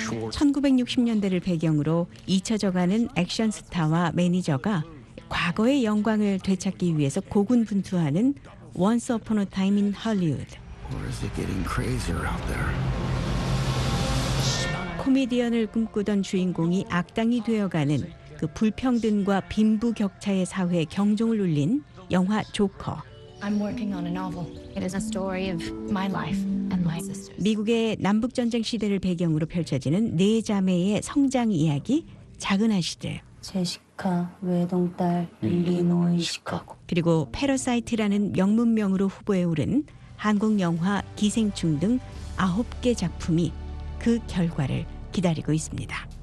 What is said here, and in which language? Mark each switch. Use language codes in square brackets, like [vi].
[ko] 1960년대를 배경으로 잊혀져가는 액션 스타와 매니저가 과거의 영광을 되찾기 위해서 고군분투하는 Once Upon a Time in Hollywood. [en] Or is it getting crazier out there? [ko] 코미디언을 꿈꾸던 주인공이 악당이 되어가는 그 불평등과 빈부 격차의 사회에 경종을 울린 영화 조커. [en] I'm working on a novel. It is a story of my life and my sisters. [ko] 미국의 남북 전쟁 시대를 배경으로 펼쳐지는 네 자매의 성장 이야기 작은 아시들. 제시카, 외동딸, 일리노이 시카고. 그리고 패러사이트라는 명문명으로 후보에 오른 한국 영화 기생충 등 아홉 개 작품이 그 결과를 기다리고 있습니다.